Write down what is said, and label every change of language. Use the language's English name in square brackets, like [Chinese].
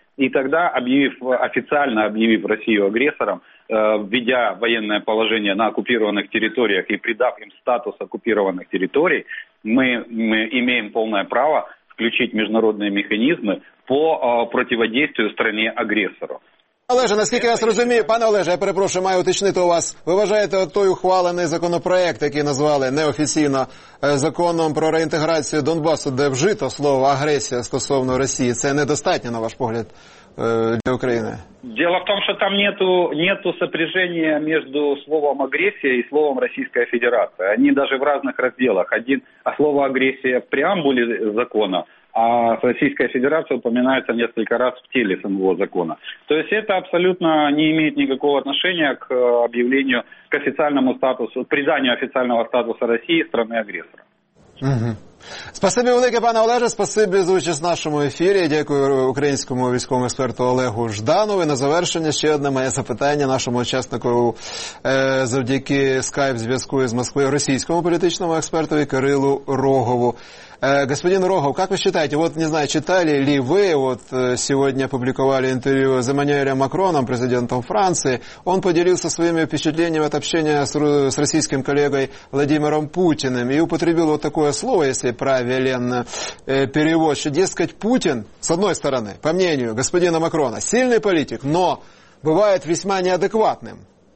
[Russian] И тогда, официально объявив Россию агрессором, введя военное положение на оккупированных территориях и придав им статус оккупированных территорий, мы имеем полное право включить международные механизмы по противодействию стране-агрессору. [Ukrainian] Олеже, наскільки я вас розумію, пане Олеже, я перепрошую, маю уточнити у вас. Ви вважаєте той ухвалений законопроект, який назвали неофіційно законом про реінтеграцію Донбасу, де вжито слово агресія стосовно Росії, це недостатньо, на ваш погляд, для України? [Russian] Дело в том, что там нету сопряжения между словом агрессия и словом Российская Федерация. Они даже в разных разделах. Один, а слово агрессия в преамбуле закона. А Российская Федерация упоминается несколько раз в теле самого закона. То есть это абсолютно не имеет никакого отношения к объявлению, к официальному статусу, приданию официального статуса России страны-агрессора. Угу. [Ukrainian] Спасибі велике, пане Олеже, спасибі за участь в нашому ефірі. Дякую українському військовому експерту Олегу Жданову. І на завершення ще одне моє запитання нашому учаснику завдяки скайп-зв'язку із Москвою російському політичному експерту Кирилу Рогову. [Russian] Господин Рогов, как вы считаете, вот не знаю, читали ли вы, вот сегодня опубликовали интервью с Эммануэлем Макроном, президентом Франции, он поделился своими впечатлениями от общения с российским коллегой Владимиром Путиным и употребил вот такое слово, если правильно перевод, что, дескать, Путин, с одной стороны, по мнению господина Макрона, сильный политик, но бывает весьма неадекватным.